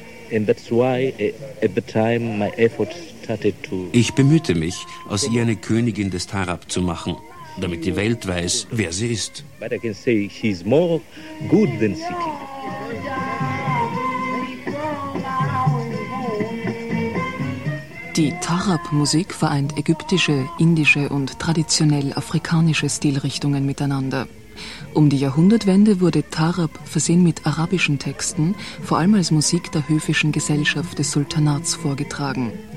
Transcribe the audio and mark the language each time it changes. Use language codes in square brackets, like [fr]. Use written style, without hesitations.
[en] And that's why at the time my effort started to. [de] Ich bemühte mich, aus ihr eine Königin des Tarab zu machen, damit die Welt weiß, wer sie ist. [en] But I can say she's more good than Siki. [de] Die Tarab-Musik vereint ägyptische, indische und traditionell afrikanische Stilrichtungen miteinander. Um die Jahrhundertwende wurde Tarab versehen mit arabischen Texten, vor allem als Musik der höfischen Gesellschaft des Sultanats vorgetragen.